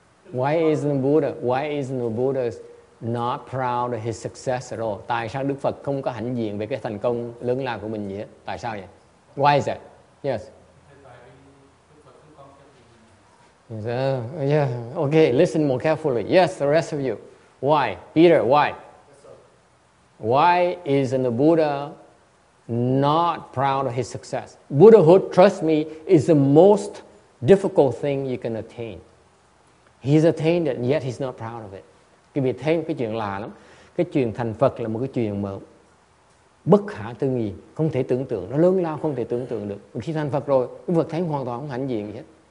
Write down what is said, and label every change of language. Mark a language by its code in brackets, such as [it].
[en] Why isn't the Buddha not proud of his success at all? [vi] Tại sao Đức Phật không có hãnh diện về cái thành công lớn lao của mình vậy? Tại sao vậy? [en] Why is that? Yes. Yeah. Okay, listen more carefully. Yes, the rest of you. Why? Peter, why? Yes, sir. Why isn't the Buddha not proud of his success? Buddhahood, trust me, is the most difficult thing you can attain. He's attained it, and yet he's not proud of it. [vi] Quý vị thấy cái chuyện lạ lắm. Cái chuyện thành Phật là một cái chuyện mà bất khả tư nghi, không thể tưởng tượng. Nó lớn lao, không thể tưởng tượng được. Khi thành Phật rồi, quý vị thấy hoàn toàn không hãnh diện gì hết.